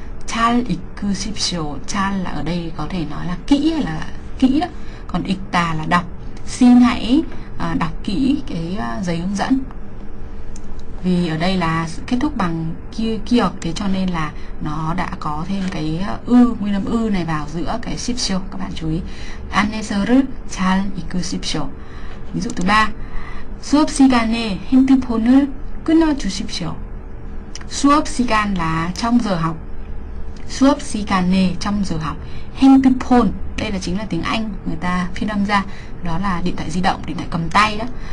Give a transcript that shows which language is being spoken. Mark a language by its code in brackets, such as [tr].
[ko] 잘 읽으십시오, [vi] 잘 là ở đây có thể nói là kỹ hay là kỹ đó. Còn 읽다 là đọc. Xin hãy đọc kỹ cái giấy hướng dẫn. Vì ở đây là kết thúc bằng kiok, thế cho nên là nó đã có thêm cái ư, nguyên âm ư này vào giữa cái sipsio. Các bạn chú ý. [ko] 안내서를 잘 읽으십시오. [vi] Ví dụ thứ 3, [ko] 수업 시간에 핸드폰을 끊어주십시오. [vi] 수업 시간 là trong giờ học. 수업 시간에 trong giờ học. 핸드폰 đây là chính là tiếng Anh người ta phiên âm ra, đó là điện thoại di động, điện thoại cầm tay đó.